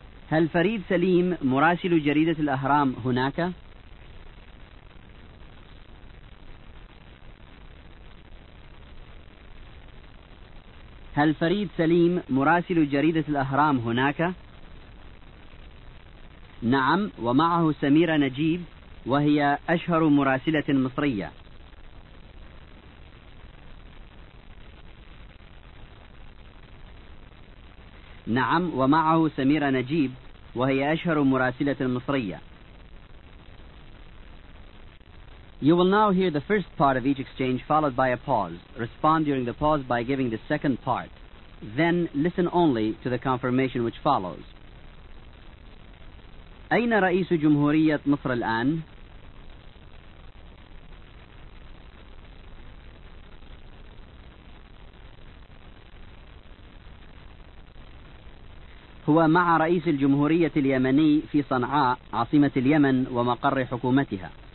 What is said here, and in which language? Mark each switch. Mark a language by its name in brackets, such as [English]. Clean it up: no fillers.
[Arabic] هل فريد سليم مراسل جريدة الأهرام هناك؟ هل فريد سليم مراسل جريدة الأهرام هناك؟ نعم ومعه سميرة نجيب وهي أشهر مراسلة مصرية. نعم ومعه سميرة نجيب وهي أشهر مراسلة مصرية. [English] You will now hear the first part of each exchange followed by a pause. Respond during the pause by giving the second part. Then listen only to the confirmation which follows. [Arabic] أين رئيس جمهورية مصر الآن؟ هو مع رئيس الجمهورية اليمني في صنعاء عاصمة اليمن ومقر حكومتها.